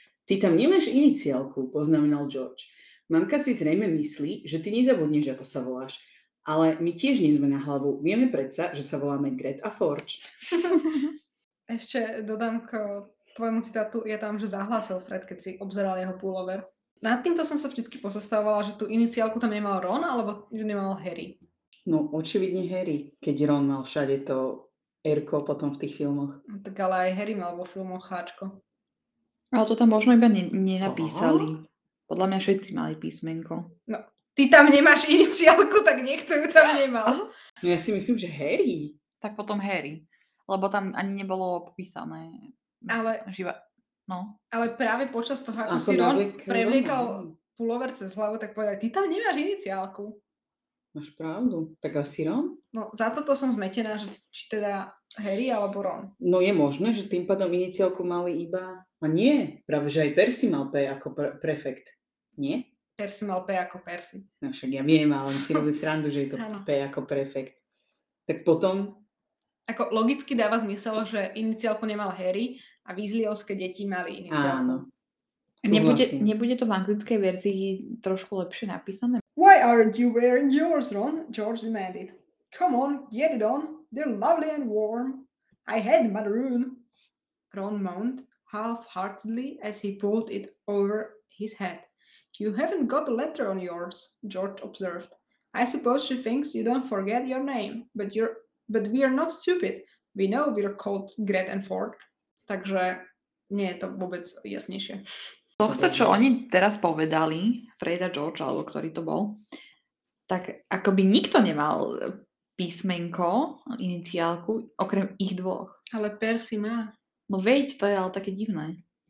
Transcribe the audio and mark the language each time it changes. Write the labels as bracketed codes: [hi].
[sk] Ty tam nemáš iniciálku, poznamenal George. Mamka si zrejme myslí, že ty nezabudneš, ako sa voláš. Ale my tiež nie sme na hlavu. Vieme predsa, že sa voláme Greta a Forge. Ešte dodám k tvojemu citátu. Ja tam, že zahlásil Fred, keď si obzeral jeho pullover. Nad týmto som sa vždycky pozastavovala, že tú iniciálku tam nemal Ron, alebo ju nemal Harry. No, očividne Harry, keď Ron mal všade to R-ko potom v tých filmoch. Tak ale aj Harry mal vo filmoch H-čko. Ale to tam možno iba nenapísali. Podľa mňa všetci mali písmenko. No, ty tam nemáš iniciálku, tak niekto ju tam nemal. No ja si myslím, že Harry. Tak potom Harry. Lebo tam ani nebolo popísané. Ale, živa... no. Ale práve počas toho, ako si Ron prevliekal pulover cez hlavu, tak povedal, ty tam nemáš iniciálku. Máš pravdu. Tak asi Ron? No, za toto som zmetená, že či teda Harry alebo Ron. No je možné, že tým pádom iniciálku mali iba... A nie, práve že aj Percy mal P ako prefekt. Nie? Percy mal P ako Percy. No však ja viem, ale si robí srandu, že je to P ako prefekt. Tak potom... Ako logicky dáva zmysel, že iniciálku nemal Harry a Weasleyovské deti mali iniciálku. Áno. Nebude to v anglickej verzii trošku lepšie napísané? [en] Why aren't you wearing yours, Ron? George demanded. Come on, get it on. They're lovely and warm. I had my rune. Ron moaned half-heartedly as he pulled it over his head. You haven't got a letter on yours, George observed. I suppose she thinks you don't forget your name, but we are not stupid. We know we're called Gret and Fork. [sk] Takže nie je to vôbec jasnejšie. Tohto, čo oni teraz povedali, Freda, George, alebo ktorý to bol, tak akoby nikto nemal písmenko, iniciálku, okrem ich dvoch. Ale Percy má. No veď, to je ale také divné.